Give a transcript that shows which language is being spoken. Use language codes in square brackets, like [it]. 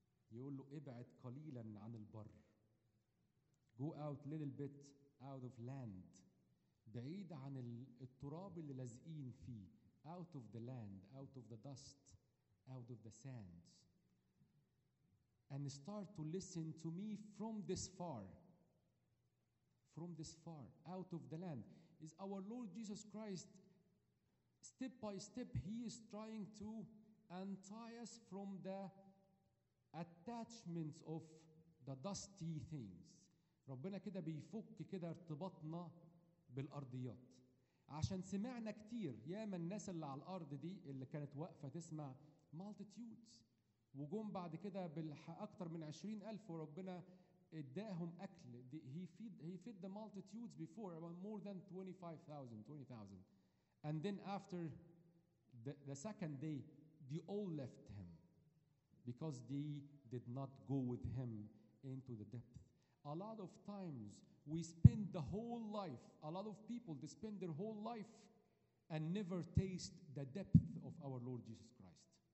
[ar] يقول له ابعد قليلا عن البر، [en] go out little bit out of land، [ar] بعيد عن التراب اللي لازقين فيه، [en] out of the land, out of the dust, out of the sands, and start to listen to me from this far. From this far, out of the land, is our Lord Jesus Christ. Step by step, he is trying to untie us from the attachments of the dusty things. [ar] ربنا كده بيفك كده ارتباطنا بالأرضيات. عشان سمعنا كتير يا من الناس اللي على الأرض دي اللي كانت واقفة تسمع multitudes وجوم بعد كده بالأكتر من 20,000 وربنا إداهم أكل. [en] He fed the multitudes before about more than 25,000. And then after the second day, they all left him because they did not go with him into the depth. A lot of times we spend the whole life, a lot of people, they spend their whole life and never taste the depth of our Lord Jesus Christ.